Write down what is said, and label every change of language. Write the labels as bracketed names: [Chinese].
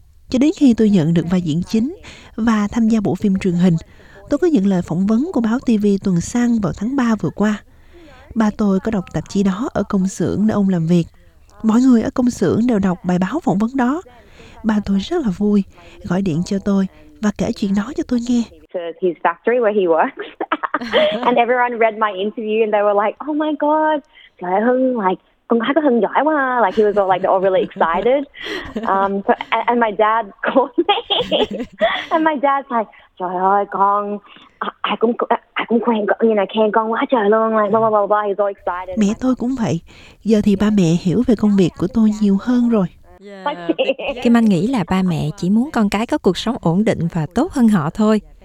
[Vietnamese] Cho đến khi tôi nhận được vai diễn chính và tham gia bộ phim truyền hình, tôi có nhận lời phỏng vấn của báo TV Tuần Sang vào tháng 3 vừa qua. Ba tôi có đọc tạp chí đó ở công xưởng nơi ông làm việc. Mọi người ở công xưởng đều đọc bài báo phỏng vấn đó. Ba tôi rất là vui, gọi điện cho tôi và kể chuyện đó cho tôi nghe. [English] His factory where he works. And everyone read my interview and they were like, oh my god, Lợi Hưng, like, [Vietnamese] con gái có Hưng giỏi quá. [English] Like, he was all like, they're all really excited. And my dad called me. And my dad's like, [Vietnamese] trời ơi, con, ai cũng quen, [English] you know, [Vietnamese] khen con quá trời luôn. [English] Like, blah, blah, blah, blah. He's all excited. [Vietnamese] Mẹ tôi cũng vậy. Giờ thì ba mẹ hiểu về công việc của tôi nhiều hơn rồi. Kim Anh nghĩ là ba mẹ chỉ muốn con cái có cuộc sống ổn định và tốt hơn họ thôi.